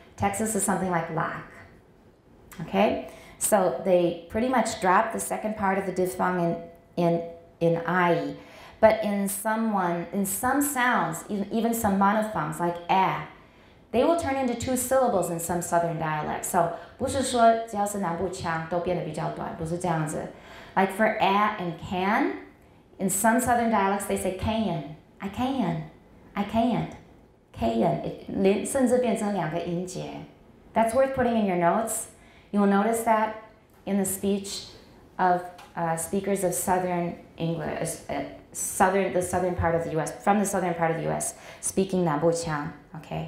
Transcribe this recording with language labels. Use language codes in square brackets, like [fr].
[en] Texas is something like lack. Okay? So they pretty much drop the second part of the diphthong in I. But in some sounds, even some monophthongs like a, they will turn into two syllables in some southern dialects. [zh] So, 不是说只要是南部腔都变得比较短，不是这样子。 [en] Like for a and can, in some southern dialects they say can, I can, I can't, can, [zh] 甚至变成两个音节。 [en] That's worth putting in your notes. You will notice that in the speech of speakers of southern English, the southern part of the U.S., from the southern part of the U.S., speaking [zh] 南部腔, [en] okay?